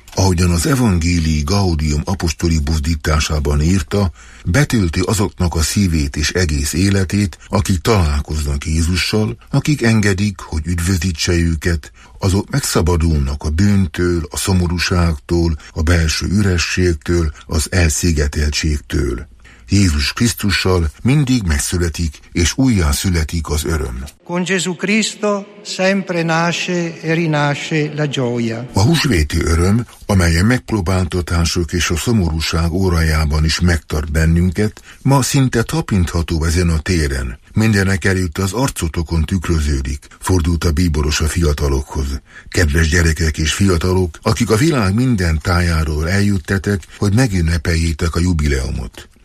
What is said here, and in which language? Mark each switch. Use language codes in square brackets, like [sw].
[hu] Ahogyan az evangélii Gaudium apostoli buzdításában írta, betölti azoknak a szívét és egész életét, akik találkoznak Jézussal, akik engedik, hogy üdvözítse őket, azok megszabadulnak a bűntől, a szomorúságtól, a belső ürességtől, az elszigeteltségtől. Jézus Krisztussal mindig megszületik, és újján születik az öröm. [it] Con Gesù Cristo sempre nasce e rinasce la gioia. [hu] A húsvéti öröm, amely a megpróbáltatások és a szomorúság órájában is megtart bennünket, ma szinte tapintható ezen a téren. Mindenek előtt az arcotokon tükröződik, fordult a bíboros a fiatalokhoz. Kedves gyerekek és fiatalok, akik a világ minden tájáról eljöttetek, hogy megünnepeljétek a jubileumot.